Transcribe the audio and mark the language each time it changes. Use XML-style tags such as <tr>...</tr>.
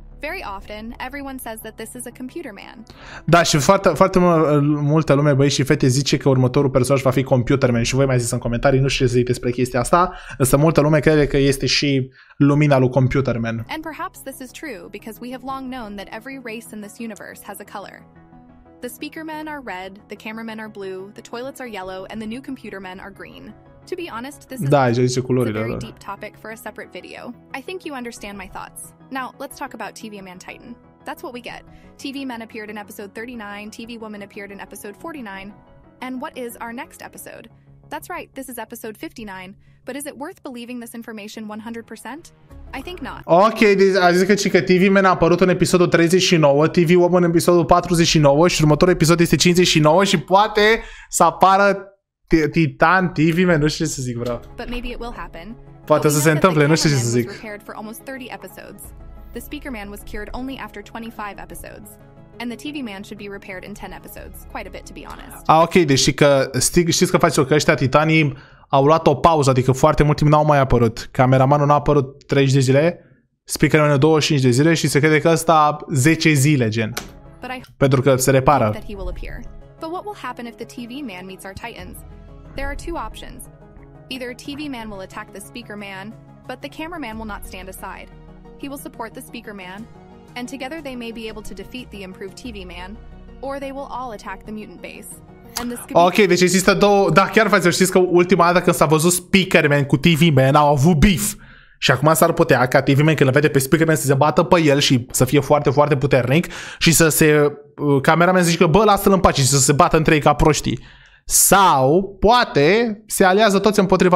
<en>Very often everyone says that this is a computer man.</en> <ro>Da, și foarte foarte multă lume, băieți și fete, zice că următorul personaj va fi computer man și voi mai ziceți în comentarii, nu știu ce să zic despre chestia asta, însă multă lume crede că este și lumina lui computer man.</ro> <en>And perhaps this is true because we have long known that every race in this universe has a color. The speaker men are red, the cameramen are blue, the toilets are yellow and the new computer men are green. To be honest, this</en> <ro>da,</ro> <en>is a very deep topic for a separate video. I think you understand my thoughts. Now, let's talk about TV Man Titan. That's what we get. TV Men appeared in episode 39, TV Woman appeared in episode 49. And what is our next episode? That's right, this is episode 59. But is it worth believing this information 100%? I think not.</en> <ro>Ok, a zis că, că TV Man a apărut în episodul 39, TV Woman în episodul 49 și următorul episod este 59 și poate să apară Titan TV, man, nu știu ce să zic, bro.</ro> <en>But maybe it will happen.</en> <ro>Poate să se întâmple, nu știu ce să zic.</ro> <en>Repaired for almost 30 episodes. The speaker man was cured only after 25 episodes. And the TV man should be repaired in 10 episodes, quite a bit to be honest.</en> <ro>Ah, ok, deci că știți că faci o că ăștia titanii au luat o pauză, adică foarte mult timp n-au mai apărut. Cameramanul n-a apărut 30 de zile, speaker man 25 de zile și se crede că ăsta 10 zile, gen. Pentru că se repară.</ro> <en>But what will happen if the TV man meets our titans? There are two options. Either TV man will attack the speaker man, but the cameraman will not stand aside. He will support the speaker man, and together they may be able to defeat the improved TV man, or they will all attack the mutant base. And the</en> <ro>ok, deci există două... Da, chiar faci, știți că ultima dată când s-a văzut speaker man cu TV man, au avut beef. Și acum s-ar putea ca TV man când îl vede pe speaker man să se bată pe el și să fie foarte, foarte puternic și să se... cameraman zice că bă, lasă-l în pace și să se bată între ei ca proștii. Sau, poate, se aliază toți împotriva</ro>